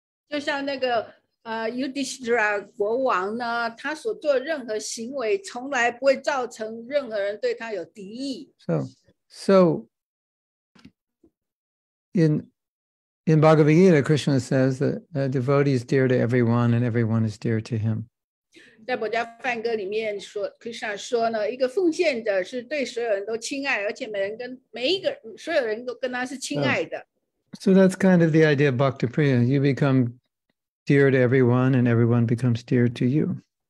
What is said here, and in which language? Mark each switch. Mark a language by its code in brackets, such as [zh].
[zh] 就像那个, Yudhisthira 国王呢, 他所做任何行为, 从来不会造成任何人对他有敌意。 [en] So in Bhagavad Gita, Krishna says that a devotee is dear to everyone and everyone is dear to him. [zh] 在《博迦梵歌》里面说, Krishna说呢, 一个奉献者是对所有人都亲爱, 而且每一个人都跟他是亲爱的。 [en] So that's kind of the idea of Bhakta Priya. You become dear to everyone, and everyone becomes dear to you.